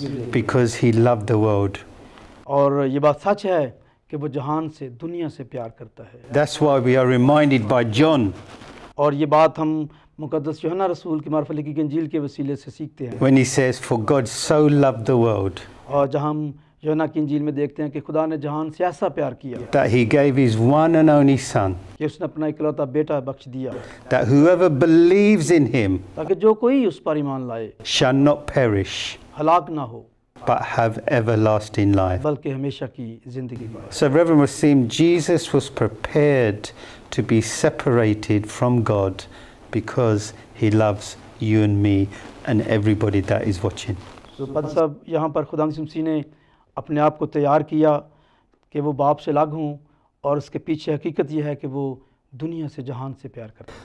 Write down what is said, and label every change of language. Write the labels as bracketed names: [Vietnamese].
[English] Because he loved the world. [Urdu] اور یہ بات سچ ہے کہ وہ جہان سے دنیا سے پیار کرتا ہے. [English] That's why we are reminded by John. [Urdu] اور یہ بات ہم مقدس یوحنا رسول کی معرفت لکھی گئی انجیل کے وسیلے سے سیکھتے ہیں. [English] When he says, for God so loved the world. [Urdu] اور جہاں ہم یوحنا کی انجیل میں دیکھتے ہیں کہ خدا نے جہان سے ایسا پیار کیا. [English] That he gave his one and only son. [Urdu] کہ اس نے اپنا اکلوتا بیٹا بخش دیا. [English] That whoever believes in him. [Urdu] تاکہ جو کوئی اس پر ایمان لائے. [English] Shall not perish. [Urdu] ہلاک نہ ہو. [English] But have everlasting life. [Urdu] بلکہ ہمیشہ کی زندگی پائے. [English] So Reverend Waseem, Jesus was prepared to be separated from God because he loves you and me and everybody that is watching. [Urdu] So پادری صاحب یہاں پر خدا مسیح نے اپنے آپ کو تیار کیا کہ وہ باپ سے الگ ہوں اور اس کے پیچھے حقیقت یہ ہے کہ وہ دنیا سے جہان سے پیار کرتا.